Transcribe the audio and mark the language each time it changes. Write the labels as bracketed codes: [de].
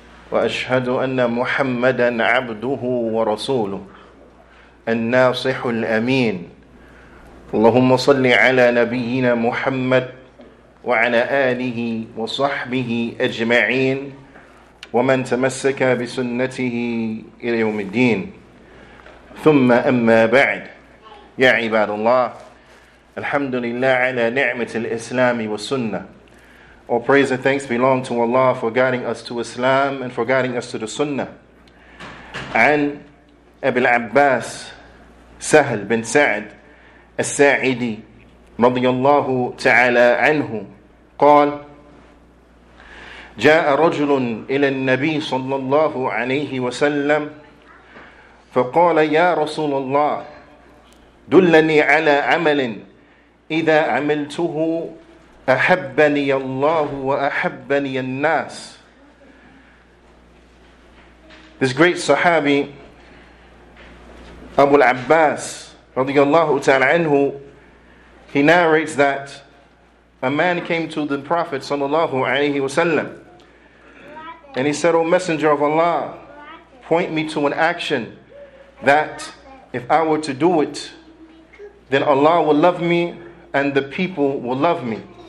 [ar] وأشهد أن محمدا عبده ورسوله الناصح الأمين اللهم صل على نبينا محمد وعلى آله وصحبه أجمعين ومن تمسك بسنته إلى يوم الدين ثم أما بعد يا عباد الله الحمد لله على نعمة الإسلام والسنة. [en] All praise and thanks belong to Allah for guiding us to Islam and for guiding us to the Sunnah. [ar] عن أبي العباس سهل بن سعد الساعدي رضي الله تعالى عنه قال جاء رجل إلى النبي صلى الله عليه وسلم فقال يا رسول الله دلني على عمل إذا عملته أحبني الله وأحبني الناس. [en] This great Sahabi Abu al-Abbas [ar] رضي الله تعالى عنه, [en] he narrates that a man came to the Prophet [ar] صلى الله عليه وسلم [en] and he said, O Messenger of Allah, point me to an action that if I were to do it, then Allah will love me and the people will love me.